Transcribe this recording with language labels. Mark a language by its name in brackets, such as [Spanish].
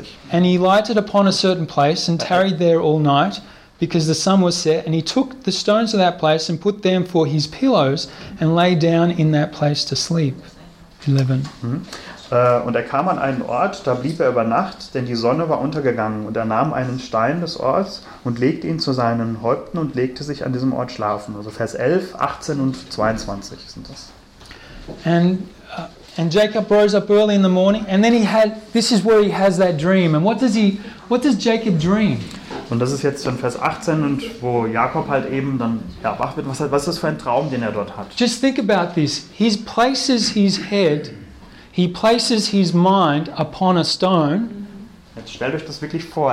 [English] And he lighted upon a certain place and tarried there all night because the sun was set. And he took the stones of that place and put them for his pillows and lay down in that place to sleep. 11. [German] Und er kam an einen Ort, da blieb er über Nacht, denn die Sonne war untergegangen. Und er nahm einen Stein des Orts und legte ihn zu seinen Häupten und legte sich an diesem Ort schlafen. Also Vers 11, 18 und 22 sind das. [English] And Jacob rose up early in the morning, and then this is where he has that dream. And what does Jacob dream? [German] Und das ist jetzt dann Vers 18 und wo Jakob halt eben dann wach wird. Was ist das für ein Traum, den er dort hat? [English] Just think about this. He places his head. He places his mind upon a stone. [German] Jetzt stellt euch das wirklich vor.